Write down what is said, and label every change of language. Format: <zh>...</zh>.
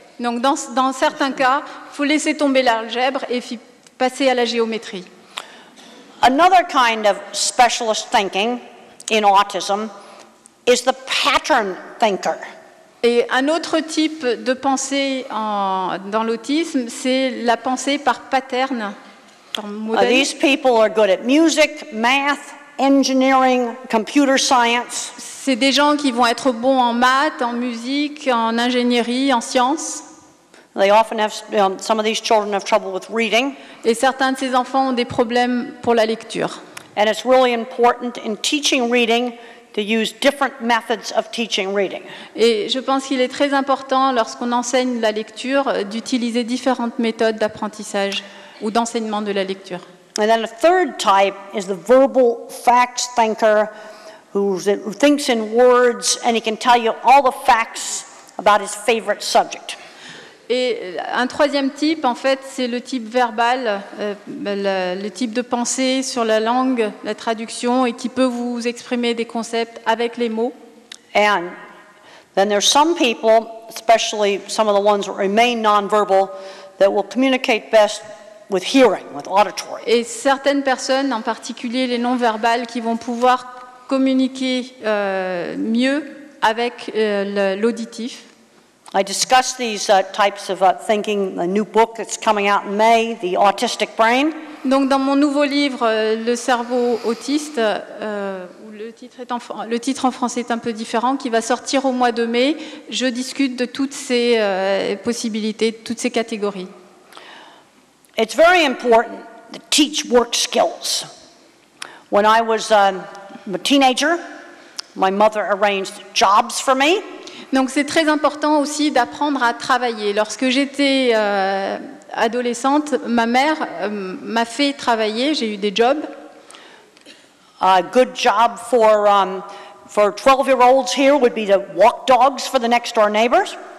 <fr>Donc dans certains cas, faut laisser tomber l'algèbre et passer à la géométrie.</fr> <en>Another kind of specialist thinking in autism is the pattern thinker.</en> <fr>Et un autre type de pensée dans l'autisme, c'est la pensée par pattern, par modèle.</fr> <en>These people are good at music, math, engineering, computer science.</en> <fr>C'est des gens qui vont être bons en maths, en musique, en ingénierie, en sciences.</fr> <en>They often have some of these children have trouble with reading.</en> <fr>Et certains de ces enfants ont des problèmes pour la lecture.</fr> <en>And it's really important in teaching reading to use different methods of teaching reading.</en> <fr>Et je pense qu'il est très important lorsqu'on enseigne la lecture d'utiliser différentes méthodes d'apprentissage ou d'enseignement de la lecture.</fr> <en>And then a third type is the verbal facts thinker who thinks in words and he can tell you all the facts about his favorite subject.</en> <fr>Et un troisième type, en fait, c'est le type verbal, le type de pensée sur la langue, la traduction, et qui peut vous exprimer des concepts avec les mots.</fr> <en>And then there's some people, especially some of the ones that remain non-verbal, that will communicate best with hearing, with auditory.</en> <fr>Et certaines personnes, en particulier les non-verbales, qui vont pouvoir communiquer mieux avec l'auditif.</fr> <en>I discuss these types of thinking, a new book that's coming out in May, The Autistic Brain.</en> <fr>Donc dans mon nouveau livre, Le cerveau autiste, où le titre en français est un peu différent, qui va sortir au mois de mai, je discute de toutes ces possibilités, toutes ces catégories.</fr> <en>It's very important to teach work skills. When I was a teenager, my mother arranged jobs for me.</en> <fr>Donc c'est très important aussi d'apprendre à travailler. Lorsque j'étais adolescente, ma mère m'a fait travailler, j'ai eu des jobs.</fr> <en>A good job for 12-year-olds here would be to walk dogs for the next-door neighbors.</en>